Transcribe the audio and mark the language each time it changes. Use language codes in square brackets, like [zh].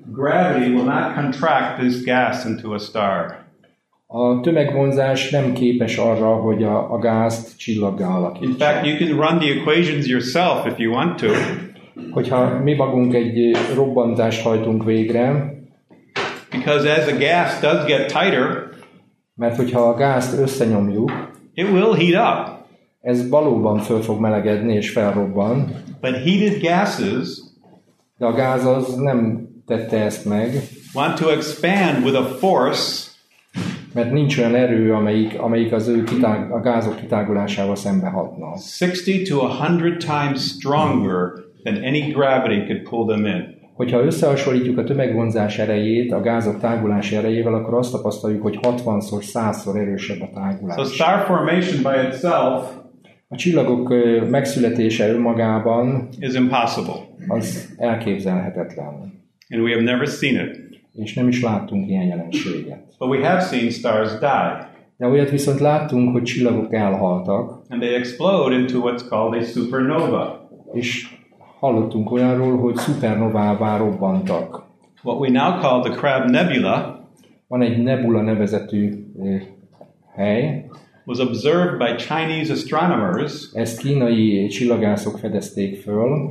[en] Gravity will not contract this gas into a star. [hu] A tömegvonzás nem képes arra, hogy a gázt csillaggá alakítsa. [en] In fact, you can run the equations yourself if you want to. [hu] Hogyha mi magunk egy robbantást hajtunk végre. [en] Because as the gas does get tighter, [hu] mert hogyha a gázt összenyomjuk, [en] it will heat up. [hu] Ez valóban föl fog melegedni és felrobban. [en] But heated gases, [hu] de a gáz az nem tette ezt meg, [en] want to expand with a force, [hu] mert nincs olyan erő, amelyik az ő a gázok kitágulásával szembe hatna. [en] 60 to 100 times stronger than any gravity could pull them in. [hu] Hogyha összehasonlítjuk a tömegvonzás erejét a gázok tágulási erejével, akkor azt tapasztaljuk, hogy 60-szor, 100-szor erősebb a tágulás. [en] So star formation by itself, [hu] a csillagok megszületése önmagában [en] is impossible. [hu] Az elképzelhetetlen. [en] And we have never seen it. [hu] És nem is láttunk ilyen jelenséget. [en] But we have seen stars die. [hu] De olyat viszont láttunk, hogy csillagok elhaltak. [en] And they explode into what's called a supernova. [hu] És hallottunk olyanról, hogy szupernovává robbantak. [en] What we now call the Crab Nebula, [hu] van egy nebula nevezetű hely, [en] was observed by Chinese astronomers. [hu] Ezt kínai csillagászok fedezték föl.